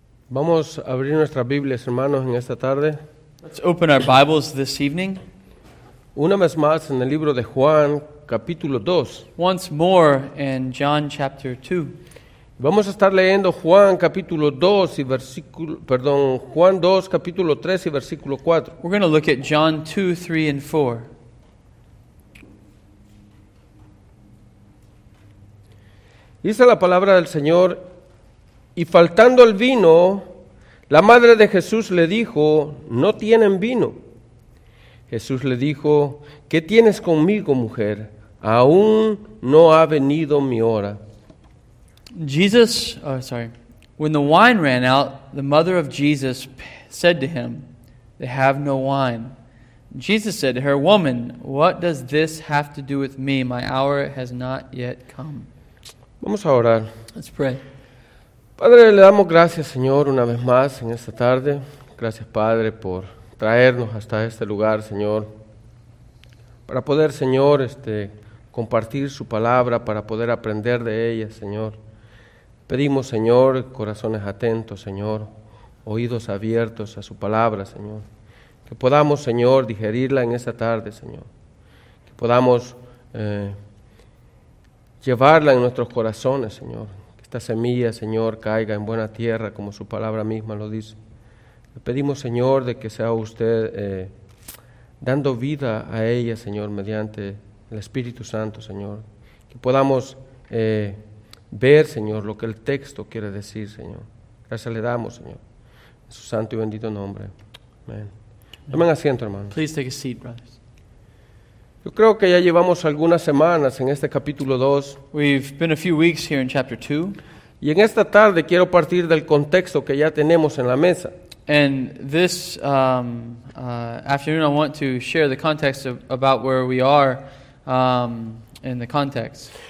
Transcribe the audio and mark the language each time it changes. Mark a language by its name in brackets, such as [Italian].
[Spanish] Vamos a abrir nuestras Biblias, hermanos, en esta tarde. [English] Let's open our Bibles this evening. [Spanish] Una vez más en el libro de Juan, capítulo 2. [English] Once more in John chapter 2. [Spanish] Vamos a estar leyendo Juan capítulo 2 y versículo, perdón, Juan 2 capítulo 3 y versículo 4. [English] We're going to look at John 2, 3 and 4. [Spanish] Dice la palabra del Señor: y faltando el vino, la madre de Jesús le dijo: no tienen vino. Jesús le dijo: ¿qué tienes conmigo, mujer? Aún no ha venido mi hora. [English] When the wine ran out, the mother of Jesus said to him, they have no wine. Jesus said to her, woman, what does this have to do with me? My hour has not yet come. [Spanish] Vamos a orar. [English] Let's pray. [Spanish] Padre, le damos gracias, Señor, una vez más en esta tarde. Gracias, Padre, por traernos hasta este lugar, Señor, para poder, Señor, compartir su palabra, para poder aprender de ella, Señor. Pedimos, Señor, corazones atentos, Señor, oídos abiertos a su palabra, Señor. Que podamos, Señor, digerirla en esta tarde, Señor. Que podamos llevarla en nuestros corazones, Señor. Esta semilla, Señor, caiga en buena tierra, como su palabra misma lo dice. Le pedimos, Señor, de que sea usted dando vida a ella, Señor, mediante el Espíritu Santo, Señor. Que podamos ver, Señor, lo que el texto quiere decir, Señor. Gracias le damos, Señor, en su santo y bendito nombre. Amén. Tomen asiento, hermanos. [English] Please take a seat, brothers. [Spanish] Yo creo que ya llevamos algunas semanas en este capítulo 2. [English] We've been a few weeks here in chapter 2. [Spanish] Y en esta tarde quiero partir del contexto que ya tenemos en la mesa. [English] And this afternoon I want to share the context of, about where we are in the context.